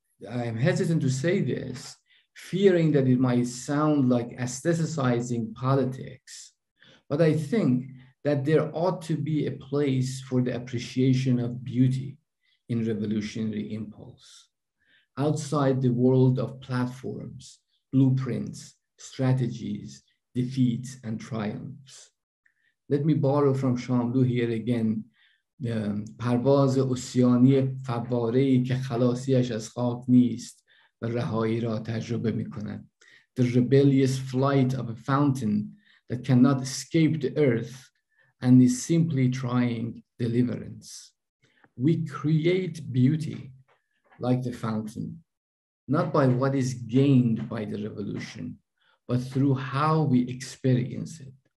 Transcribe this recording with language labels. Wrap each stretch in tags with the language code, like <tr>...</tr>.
<en>I'm hesitant to say this, fearing that it might sound like aestheticizing politics, but I think that there ought to be a place for the appreciation of beauty in revolutionary impulse. Outside the world of platforms, blueprints, strategies, defeats, and triumphs. Let me borrow from Shamlu here again,</en> <fa>پرواز اوسیانی فواره‌ای که خلاصیش از خاک نیست و رهایی را تجربه می‌کند.</fa> <en>The rebellious flight of a fountain that cannot escape the earth and is simply trying deliverance. We create beauty like the fountain, not by what is gained by the revolution, but through how we experience it.</en>